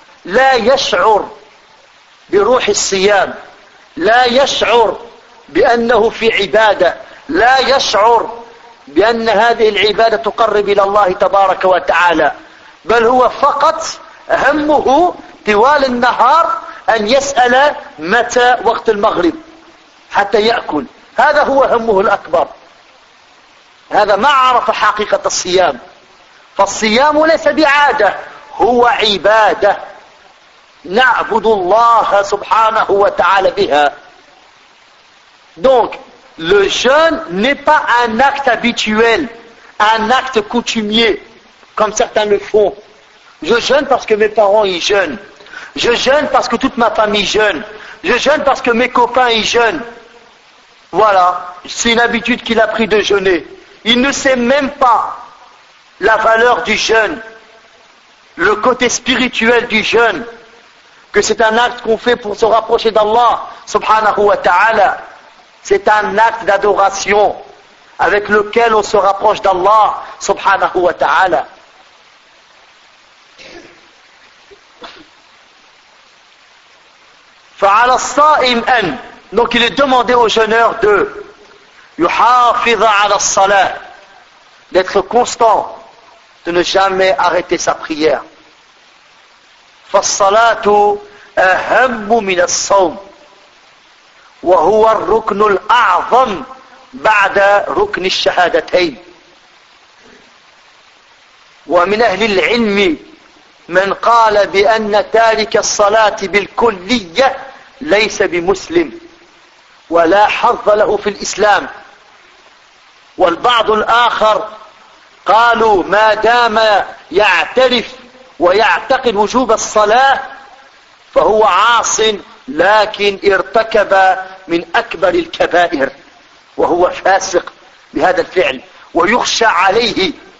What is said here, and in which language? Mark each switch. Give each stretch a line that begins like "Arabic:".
Arabic: لا يشعر بروح الصيام، لا يشعر بأنه في عبادة، لا يشعر بأن هذه العبادة تقرب إلى الله تبارك وتعالى، بل هو فقط همه طوال النهار أن يسأل متى وقت المغرب حتى يأكل، هذا هو همه الأكبر. هذا ما عرف حقيقة الصيام. فالصيام ليس بعادة، هو عبادة نعبد الله سبحانه وتعالى بها.
French: Donc le jeûne n'est pas un acte habituel, un acte coutumier comme certains le font. Je jeûne parce que mes parents y jeûnent. Je jeûne parce que toute ma famille jeûne. Je jeûne parce que mes copains y jeûnent. Voilà, c'est une habitude qu'il a pris de jeûner. Il ne sait même pas la valeur du jeûne, le côté spirituel du jeûne, que c'est un acte qu'on fait pour se rapprocher d'Allah, subhanahu wa ta'ala. C'est un acte d'adoration avec lequel on se rapproche d'Allah, subhanahu wa ta'ala.
Arabic: فعلى الصائم أن،
French: donc il est demandé au jeûneur de
Arabic: يحافظ على الصلاة،
French: d'être constant، de ne jamais arrêter sa prière.
Arabic: فالصلاة أهم من الصوم وهو الركن الأعظم بعد ركن الشهادتين. ومن أهل العلم من قال بأن تارك الصلاة بالكلية ليس بمسلم ولا حظ له في الإسلام، والبعض الآخر قالوا ما دام يعترف ويعتقد وجوب الصلاة فهو عاص لكن ارتكب من أكبر الكبائر وهو فاسق بهذا الفعل ويخشى عليه